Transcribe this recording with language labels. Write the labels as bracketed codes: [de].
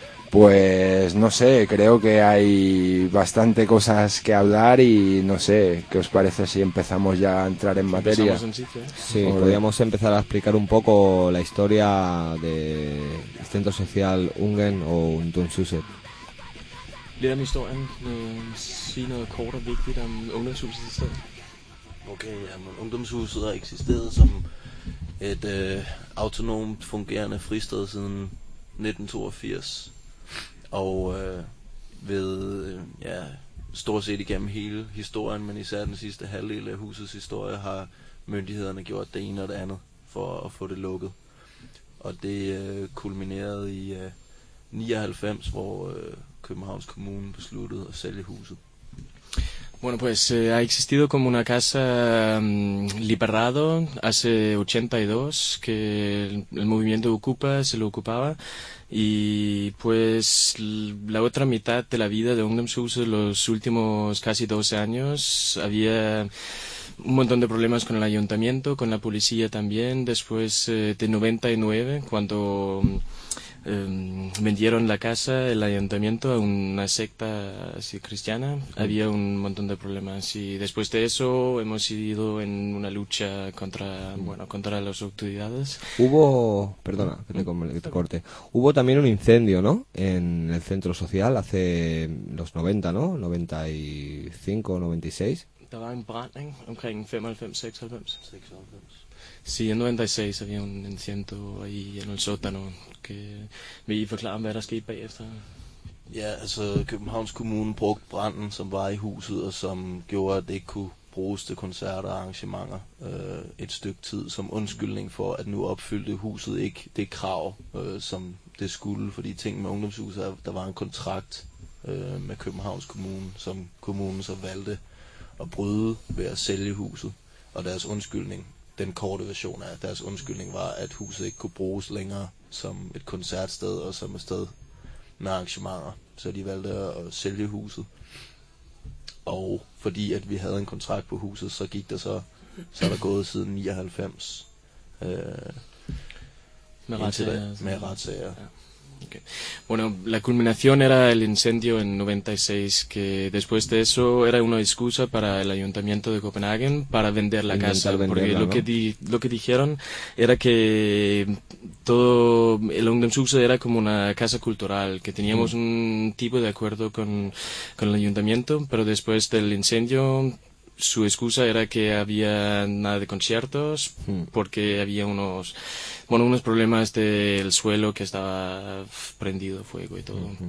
[es] Pues no sé, creo que hay bastante cosas que hablar y no sé, ¿qué os parece si empezamos ya a entrar en materia? Empezamos en sitio, ¿eh? Sí, podríamos empezar a explicar un poco la historia del Centro Social Ungen o Untonshuset. [da] Lidt om historien, sige noget kort og vigtigt om Ungdomshuset i stedet. Okay, jamen, Ungdomshuset har eksisteret som et autonomt fungerende fristed siden 1982. Og ved ja, stort set igennem hele historien, men især den sidste halvdel af husets historie, har myndighederne gjort det ene og det andet for at få det lukket. Og det kulminerede i 99, hvor Københavns Kommune besluttede at sælge huset. [es] Bueno, pues ha existido como una casa liberado hace 82, que el movimiento Ocupa se lo ocupaba, y pues la otra mitad de la vida de Ungdomshuset, los últimos casi 12 años, había un montón de problemas con el ayuntamiento, con la policía también, después de 99, cuando vendieron la casa, el ayuntamiento, a una secta así cristiana. Había un montón de problemas y después de eso hemos ido en una lucha contra, bueno, contra las autoridades. Hubo, perdona, que te corte. Hubo también un incendio, ¿no? En el centro social hace los 90, ¿no? 95, 96. [da] Der var en brand, ikke? Omkring 95, 96. 96. [es] Sí, en 96 había un incendio ahí en el sótano. [da] Vil I forklare, hvad der skete bagefter? Ja, altså Københavns Kommune brugte branden, som var i huset, og som gjorde, at det ikke kunne bruges til koncerter og arrangementer et stykke tid, som undskyldning for, at nu opfyldte huset ikke det krav, som det skulle, fordi ting med Ungdomshuset, der var en kontrakt med Københavns Kommune, som kommunen så valgte at bryde ved at sælge huset, og deres undskyldning, den korte version af deres undskyldning, var, at huset ikke kunne bruges længere som et koncertsted og som et sted med arrangementer. Så de valgte at sælge huset. Og fordi at vi havde en kontrakt på huset, så gik der så er der gået siden 99 med retssager. Med retssager. Ja. Okay. [es] Bueno, la culminación era el incendio en 96, que después de eso era una excusa para el ayuntamiento de Copenhague para vender la casa, porque venderla, lo, ¿no? lo que dijeron era que todo el Ungdomshuset era como una casa cultural, que teníamos un tipo de acuerdo con el ayuntamiento, pero después del incendio su excusa era que había nada de conciertos porque había unos problemas del suelo que estaba prendido fuego y todo. Uh-huh.